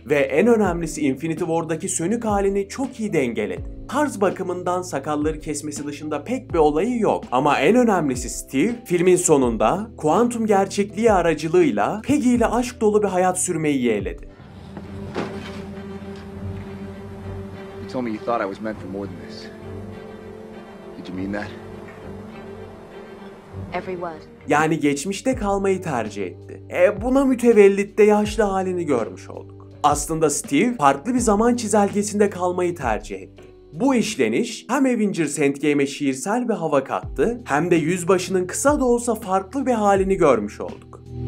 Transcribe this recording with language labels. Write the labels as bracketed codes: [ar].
[tr] Ve en önemlisi Infinity War'daki sönük halini çok iyi dengeledi. Tarz bakımından sakalları kesmesi dışında pek bir olayı yok. Ama en önemlisi Steve, filmin sonunda kuantum gerçekliği aracılığıyla Peggy ile aşk dolu bir hayat sürmeyi yeğledi. [en] You told me you thought I was meant for more than this. Did you mean that? Every word. [tr] Yani geçmişte kalmayı tercih etti. Buna mütevellit de yaşlı halini görmüş olduk. Aslında Steve farklı bir zaman çizelgesinde kalmayı tercih etti. Bu işleniş hem Avengers Endgame'e şiirsel bir hava kattı, hem de yüzbaşının kısa da olsa farklı bir halini görmüş olduk.